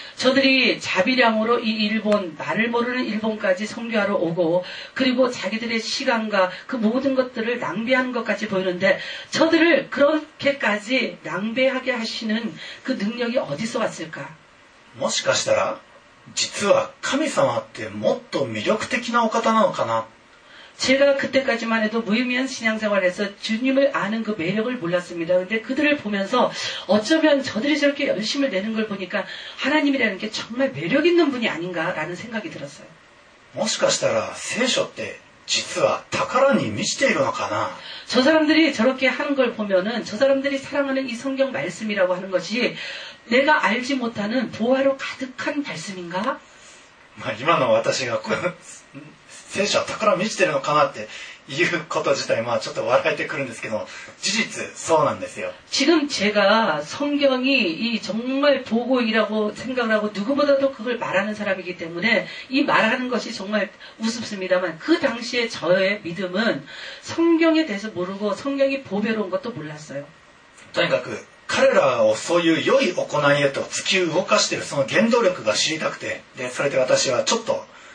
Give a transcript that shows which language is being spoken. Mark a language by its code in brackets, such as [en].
[ko] 저들이자비량으로이일본말을모르는일본까지선교하러오고그리고자기들의시간과그모든것들을낭비하는것까지보이는데저들을그렇게까지낭비하게하시는그능력이어디서왔을까 [ja] もしかしたら実は神様ってもっと魅力的なお方なのかな [ko] 제가 그때까지만 해도 무의미한 신앙생활에서 주님을 아는 그 매력을 몰랐습니다. 그런데 그들을 보면서 어쩌면 저들이 저렇게 열심을 내는 걸 보니까 하나님이라는 게 정말 매력 있는 분이 아닌가라는 생각이 들었어요. [ja] もしかしたら聖書って実は宝に満ちているのかな? [ko] 저 사람들이 저렇게 하는 걸 보면은 저 사람들이 사랑하는 이 성경 말씀이라고 하는 것이 내가 알지 못하는 보화로 가득한 말씀인가? [ja] 今の私が 聖書は宝満ちてるのかなっていうこと自体まあちょっと笑えてくるんですけど事実そうなんですよ [ko] 지금 제가 성경이 이 정말 보고이라고 생각을 하고 누구보다도 그걸 말하는 사람이기 때문에 이 말하는 것이 정말 우습습니다만 그 당시에 저의 믿음은 성경에 대해서 모르고 성경이 보배로운 것도 몰랐어요. [ja] 그러니까 彼らをそういう良い行いへと突き動かしているその原動力が知りたくてでそれで私はちょっと